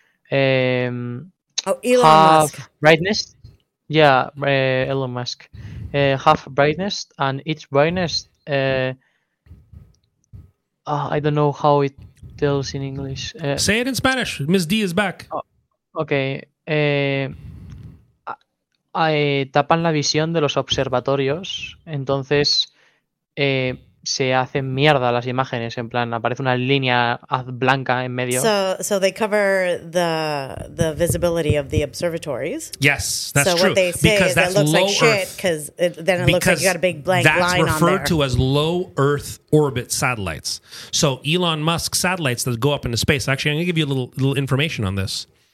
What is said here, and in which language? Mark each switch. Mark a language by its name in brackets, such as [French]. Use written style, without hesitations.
[English] Elon Musk. Yeah, Elon Musk. Half brightness, and each brightness, I don't know how it tells in English. Say it in Spanish. Ms. D is back. Okay. [Spanish] Tapan la visión de los observatorios, entonces se hacen mierda las imágenes, en plan, aparece una línea blanca en medio. [English] So they cover the visibility of the observatories. Yes, that's so true. So what they say because is that looks like shit, because then it looks like you got a big blank line on there. That's referred to as low Earth orbit satellites. So Elon Musk satellites that go up into space, actually, I'm going to give you a little information on this.